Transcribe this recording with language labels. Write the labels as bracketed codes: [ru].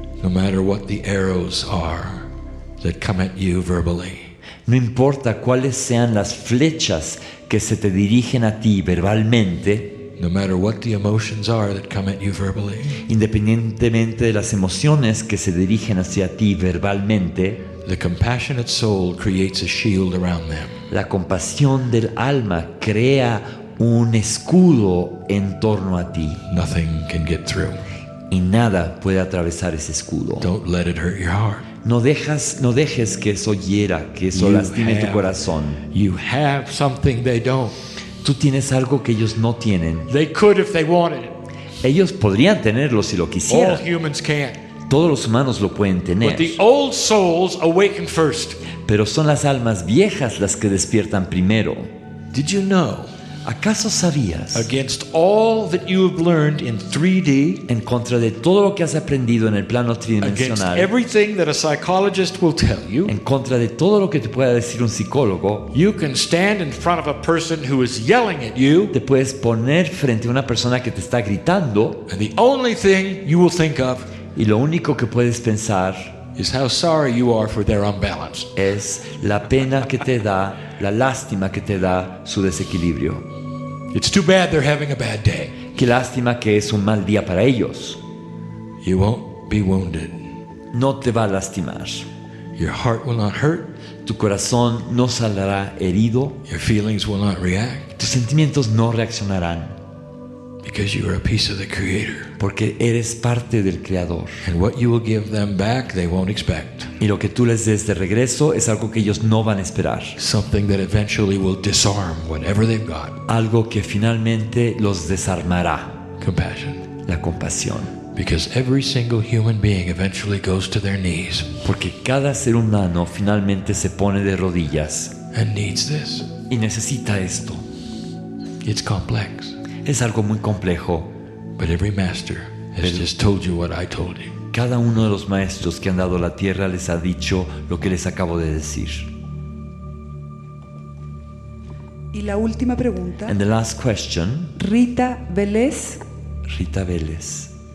[en] No matter what the arrows are that come at you verbally. [es] No importa cuáles sean las flechas que se te dirigen a ti verbalmente. [en] No matter what the emotions are that come at you verbally, [es] independientemente de las emociones que se dirigen hacia ti verbalmente, [en] the compassionate soul creates a shield around them. [es] La compasión del alma crea un escudo en torno a ti. [en] Nothing can get through. [es] Y nada puede atravesar ese escudo. [en] Don't let it hurt your heart. [es] No dejes que eso hiera, que eso lastime tu corazón. [en] You have something they don't. [es] Tú tienes algo que ellos no tienen. [en] They could if they wanted. [es] Ellos podrían tenerlo si lo quisieran. [en] All humans can. [es] Todos los humanos lo pueden tener. [en] But the old souls awaken first. [es] Pero son las almas viejas las que despiertan primero. [en] Did you know? [es] ¿Acaso sabías? [en] Against all that you have learned in 3D, [es] en contra de todo lo que has aprendido en el plano tridimensional. [en] Against everything that a psychologist will tell you, [es] en contra de todo lo que te pueda decir un psicólogo. [en] You can stand in front of a person who is yelling at you. [es] Te puedes poner frente a una persona que te está gritando. [en] And the only thing you will think of, [es] y lo único que puedes pensar, [en] is how sorry you are for their imbalance. [es] Es la pena que te da, la lástima que te da su desequilibrio. [en] It's too bad they're having a bad day. [es] Qué lástima que es un mal día para ellos. [en] You won't be wounded. [es] No te va a lastimar. [en] Your heart will not hurt. [es] Tu corazón no saldrá herido. [en] Your feelings will not react. [es] Tus sentimientos no reaccionarán. [en] Because you are a piece of the Creator. [es] Porque eres parte del Creador. [en] And what you will give them back, they won't expect. [es] Y lo que tú les des de regreso es algo que ellos no van a esperar. [en] Something that eventually will disarm whatever they've got. [es] Algo que finalmente los desarmará. [en] Compassion. [es] La compasión. [en] Because every single human being eventually goes to their knees. [es] Porque cada ser humano finalmente se pone de rodillas. [en] And needs this. [es] Y necesita esto. [en] It's complex. [es] Es algo muy complejo. [en] But every master has just told you what I told you. [es] Cada uno de los maestros que han dado la tierra les ha dicho lo que les acabo de decir. Y la última pregunta. [en] And the last question. Rita Vélez. Rita Vélez.